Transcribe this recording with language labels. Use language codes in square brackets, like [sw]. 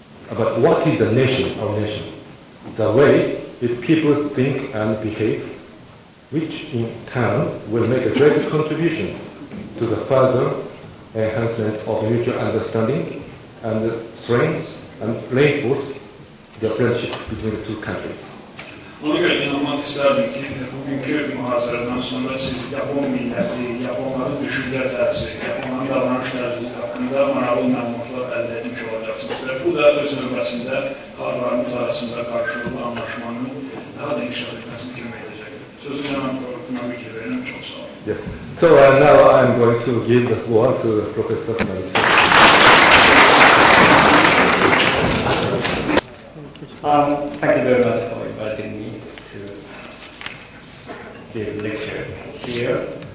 [en] about what is a nation, our nation, the way if people think and behave, which in turn will make a great contribution to the further enhancement of mutual understanding and the strength and reinforce the friendship between the two countries. [az] Ona görə inanmaq istərdim ki, bugünkü mühazirədən sonra siz Yapon milləti, Yaponların düşüncə tərzi, Yaponların davranış tərzi haqqında maraqlı məlumatlar əldə etmiş olacaqsınız. Bu da öz növbəsində xalqlarımız arasında qarşılıqlı anlaşmanın daha da inkişaf etməsini kömək edəcək. Sözü cənab Funabiki verirəm, çox sağ olun. [en] So now I'm going to give the floor to Professor Funabiki. Thank you very much for inviting me to give a lecture here.